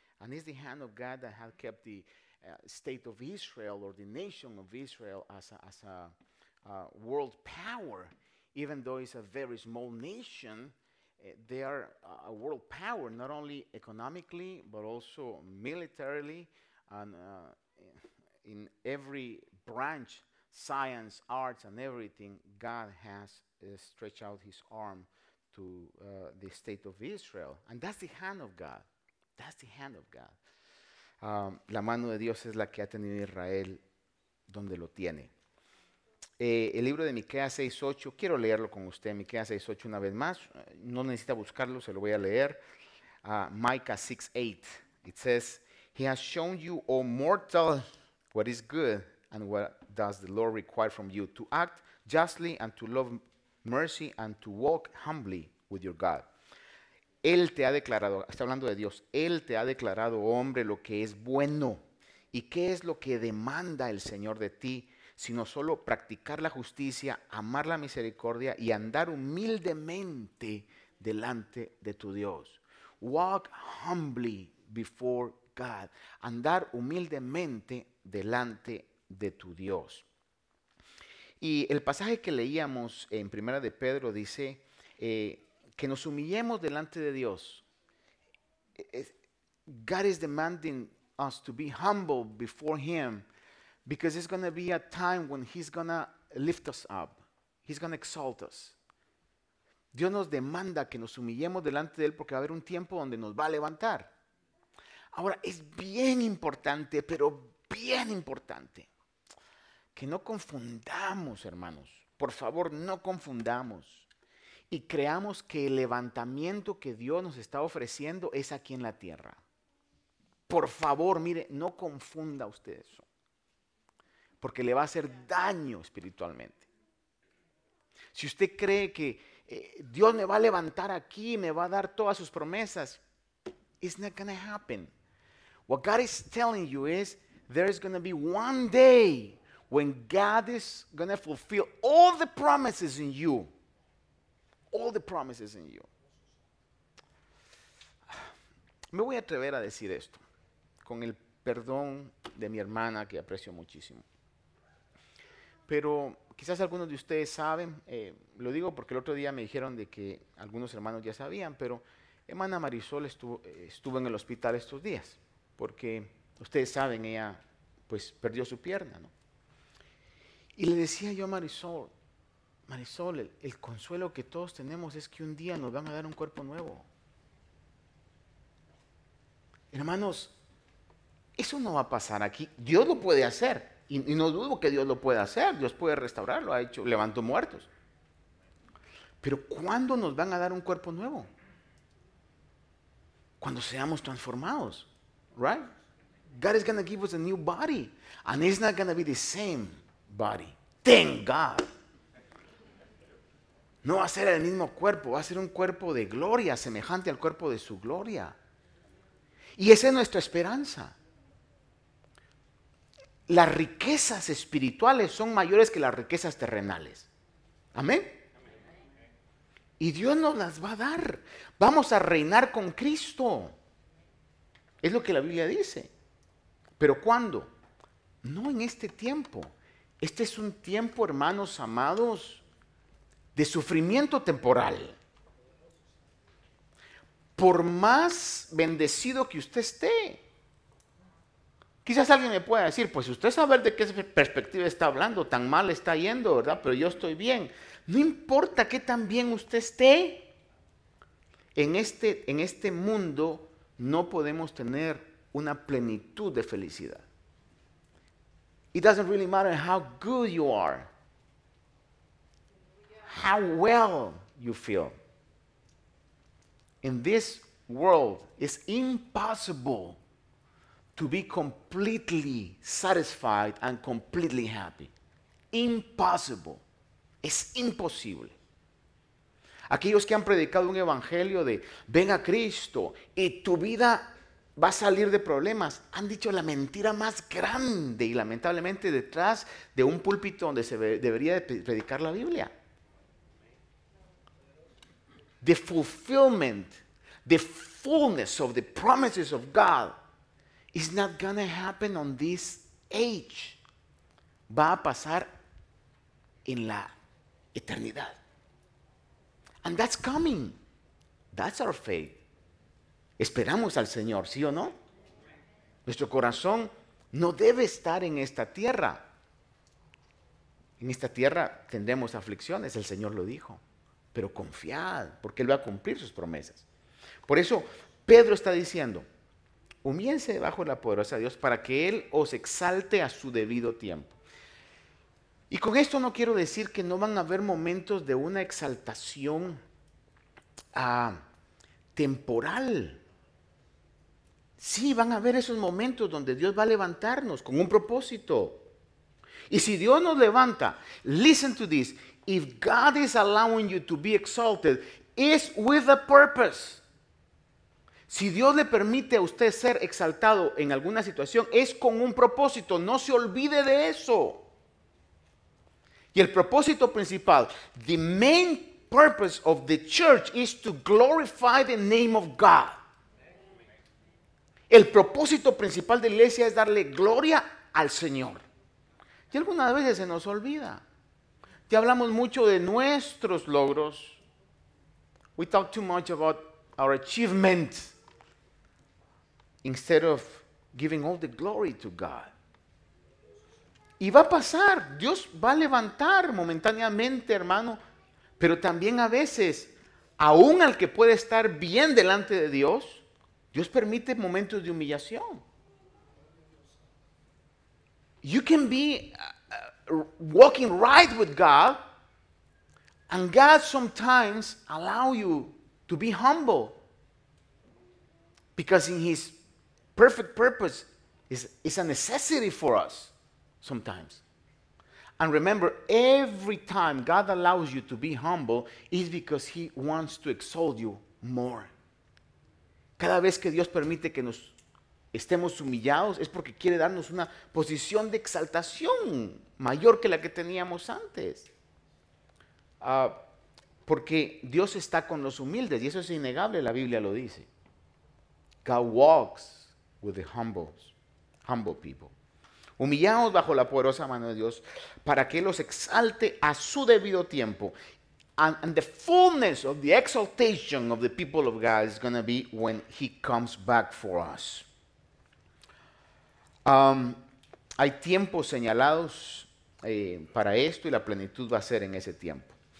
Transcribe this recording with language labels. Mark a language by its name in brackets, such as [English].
[English] And it's the hand of God that had kept the state of Israel or the nation of Israel as a world power, even though it's a very small nation, they are a world power, not only economically, but also militarily, and in every branch, science, arts, and everything, God has stretched out his arm to the state of Israel. And that's the hand of God. That's the hand of God. [Spanish] La mano de Dios es la que ha tenido Israel donde lo tiene. El libro de Miqueas 6:8, quiero leerlo con usted, Miqueas 6:8 una vez más, no necesita buscarlo, se lo voy a leer. [English] Micah 6:8, it says, He has shown you, O mortal, what is good, and what does the Lord require from you, to act justly and to love mercy and to walk humbly with your God. [Spanish] Él te ha declarado, está hablando de Dios, Él te ha declarado, hombre, lo que es bueno. ¿Y qué es lo que demanda el Señor de ti? Sino solo practicar la justicia, amar la misericordia y andar humildemente delante de tu Dios. [English] Walk humbly before God. [Spanish] Andar humildemente delante de tu Dios. Y el pasaje que leíamos en Primera de Pedro dice que nos humillemos delante de Dios. [English] God is demanding us to be humble before Him, because it's going to be a time when He's going to lift us up. He's going to exalt us. [Spanish] Dios nos demanda que nos humillemos delante de Él porque va a haber un tiempo donde nos va a levantar. Ahora, es bien importante, pero bien importante, que no confundamos, hermanos. Por favor, no confundamos. Y creamos que el levantamiento que Dios nos está ofreciendo es aquí en la tierra. Por favor, mire, no confunda usted eso. Porque le va a hacer daño espiritualmente. Si usted cree que Dios me va a levantar aquí, me va a dar todas sus promesas, [English] it's not going to happen. What God is telling you is, there is going to be one day when God is going to fulfill all the promises in you. All the promises in you. [Spanish] Me voy a atrever a decir esto, con el perdón de mi hermana que aprecio muchísimo. Pero quizás algunos de ustedes saben, lo digo porque el otro día me dijeron de que algunos hermanos ya sabían, pero hermana Marisol estuvo en el hospital estos días, porque ustedes saben, ella pues perdió su pierna, ¿no? Y le decía yo a Marisol, el consuelo que todos tenemos es que un día nos van a dar un cuerpo nuevo. Hermanos, eso no va a pasar aquí, Dios lo puede hacer. Y no dudo que Dios lo pueda hacer, Dios puede restaurarlo, ha hecho, levantó muertos. Pero ¿cuándo nos van a dar un cuerpo nuevo? Cuando seamos transformados, right? [English] God is going to give us a new body, and it's not going to be the same body. Thank God. [Spanish] No va a ser el mismo cuerpo, va a ser un cuerpo de gloria, semejante al cuerpo de su gloria. Y esa es nuestra esperanza. Las riquezas espirituales son mayores que las riquezas terrenales. ¿Amén? Y Dios nos las va a dar. Vamos a reinar con Cristo. Es lo que la Biblia dice. ¿Pero cuándo? No en este tiempo. Este es un tiempo, hermanos amados, de sufrimiento temporal. Por más bendecido que usted esté, quizás alguien me pueda decir, pues usted sabe de qué perspectiva está hablando, tan mal está yendo, ¿verdad? Pero yo estoy bien. No importa qué tan bien usted esté, en este mundo no podemos tener una plenitud de felicidad. [English] It doesn't really matter how good you are, how well you feel. In this world, it's impossible to be completely satisfied and completely happy. [Spanish] Impossible. Es imposible. Aquellos que han predicado un evangelio de ven a Cristo y tu vida va a salir de problemas, han dicho la mentira más grande y lamentablemente detrás de un púlpito donde se debería de predicar la Biblia. [English] The fulfillment, the fullness of the promises of God, it's not gonna happen on this age. [Spanish] Va a pasar en la eternidad. [English] And that's coming. That's our faith. [Spanish] Esperamos al Señor, ¿sí o no? Nuestro corazón no debe estar en esta tierra. En esta tierra tendremos aflicciones, el Señor lo dijo. Pero confiad, porque Él va a cumplir sus promesas. Por eso Pedro está diciendo, humíense debajo de la poderosa de Dios para que Él os exalte a su debido tiempo. Y con esto no quiero decir que no van a haber momentos de una exaltación temporal. Sí, van a haber esos momentos donde Dios va a levantarnos con un propósito. Y si Dios nos levanta, [English] listen to this, if God is allowing you to be exalted, it's with a purpose. [Spanish] Si Dios le permite a usted ser exaltado en alguna situación, es con un propósito. No se olvide de eso. Y el propósito principal, the main purpose of the church is to glorify the name of God. El propósito principal de la iglesia es darle gloria al Señor. Y algunas veces se nos olvida. Ya hablamos mucho de nuestros logros. [English] We talk too much about our achievements instead of giving all the glory to God. [Spanish] Y va a pasar. Dios va a levantar momentáneamente, hermano. Pero también a veces, aún al que puede estar bien delante de Dios, Dios permite momentos de humillación. [English] You can be walking right with God, and God sometimes allow you to be humble, because in His perfect purpose is a necessity for us sometimes. And remember, every time God allows you to be humble is because He wants to exalt you more. [Spanish] Cada vez que Dios permite que nos estemos humillados es porque quiere darnos una posición de exaltación mayor que la que teníamos antes. Porque Dios está con los humildes y eso es innegable, la Biblia lo dice. [English] God walks with the humble people. [Spanish] Humillados bajo la poderosa mano de Dios para que los exalte a su debido tiempo. [English] And the fullness of the exaltation of the people of God is going to be when He comes back for us. [Spanish] Hay tiempos señalados para esto y la plenitud va a ser en ese tiempo.